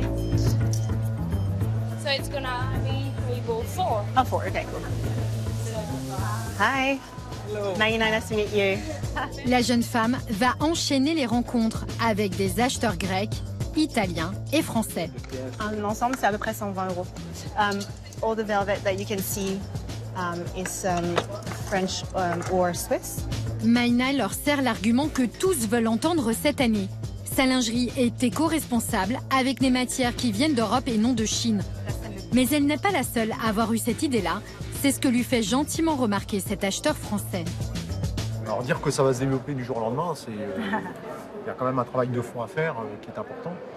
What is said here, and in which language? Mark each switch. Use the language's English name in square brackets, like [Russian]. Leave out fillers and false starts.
[English] So it's gonna be three, four. Four, okay, cool. Hi. Hello. Maïna, nice to meet you. [French] La jeune femme va enchaîner les rencontres avec des acheteurs grecs, italiens et français. En ensemble, c'est à peu près 120 euros. [English] All the velvet that you can see is French or Swiss. [French] Maïna leur sert l'argument que tous veulent entendre cette année. Sa lingerie est éco-responsable avec des matières qui viennent d'Europe et non de Chine. Mais elle n'est pas la seule à avoir eu cette idée-là. C'est ce que lui fait gentiment remarquer cet acheteur français. Alors dire que ça va se développer du jour au lendemain, c'est... Il y a quand même un travail de fond à faire qui est important.